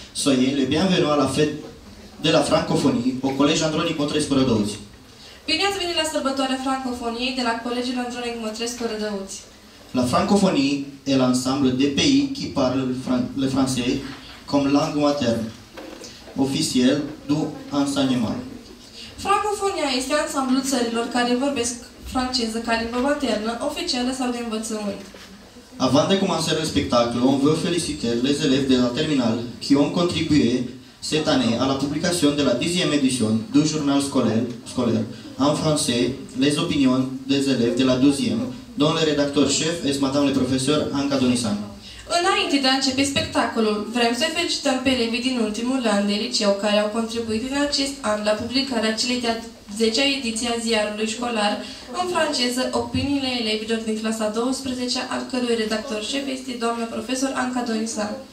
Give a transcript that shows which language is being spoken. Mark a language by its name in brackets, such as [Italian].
[French] Soyez le bienvenu à la fête de la francophonie au Collège Andronic Mătrescu Rădăuți. [Romanian] Bine ați venit la sărbătoarea francofoniei de la Colegiul Andronic Mătrescu Rădăuți. [French] La francophonie est l'ensemble des pays qui parlent le français comme langue materne, officielle du enseignement. [Romanian] Francophonia este ansamblul țărilor care vorbesc franceză ca limba maternă, oficială sau de învățământ. [French] Avant de commencer le spectacle, on veut féliciter les élèves de la terminale qui ont contribué cette année à la publication de la 10e édition du journal scolaire en français Les opinions des élèves de la 12e, dont le rédacteur chef est madame le professeur Anca Donisan. [Romanian] Înainte de a începe spectacolul, vrem să felicităm pe elevii din ultimul an de liceu care au contribuit în acest an la publicarea celei de-a 10-a ediție a ziarului școlar în franceză Opiniile elevilor din clasa 12-a, al cărui redactor șef este doamna profesor Anca Donisan.